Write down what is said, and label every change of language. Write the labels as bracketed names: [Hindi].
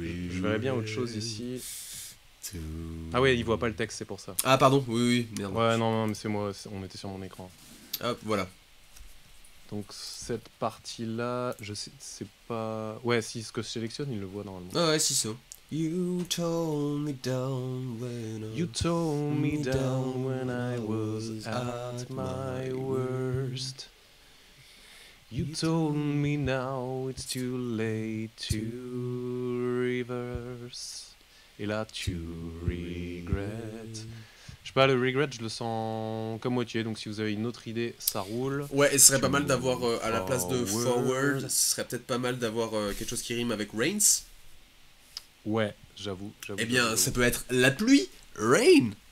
[French] Je verrais bien autre chose ici. Ah ouais, il voit pas le texte, c'est pour ça. Ah pardon, oui, merde. Ouais, non, mais c'est moi, on était sur mon écran. Hop, voilà. Donc cette partie là, je sais c'est pas. Ouais, si ce que je sélectionne, il le voit normalement. Ah ouais, si c'est. [English] You told me down when I, you told me down when I was at my worst. You told me now it's too late to reverse. [French] Et là, [English] to regret. [French] Je sais pas, le regret, je le sens comme moitié. Donc si vous avez une autre idée, ça roule. Ouais, et ce serait pas mal d'avoir à la place de forward, ce serait peut-être pas mal d'avoir quelque chose qui rime avec rains. Ouais, j'avoue. Eh bien, j'avoue. Ça peut être la pluie, rain.